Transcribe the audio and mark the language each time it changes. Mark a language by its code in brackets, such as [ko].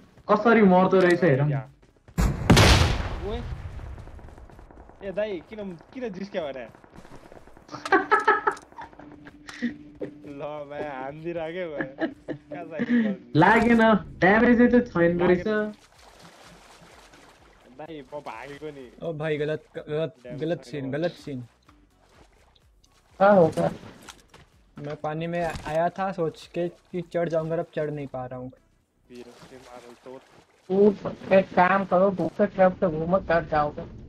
[ne] कसरी मर्दो रहेछ हेर. ए दाइ किन किन जिस्क्या भने. ल मैं हान्दिराखे भयो. लागेन ड्यामेजै त छैन रहेछ दाइ. पो भागेको नि. ओ भाइ गलत गलत गलत सिन गलत सिन. कहाँ हो कहाँ. [hi] मैं पानी में आया था सोच के कि चढ़ जाऊंगा, अब चढ़ नहीं पा रहा हूँ. काम करो दूसरे ट्रक से घूम कर जाओगे.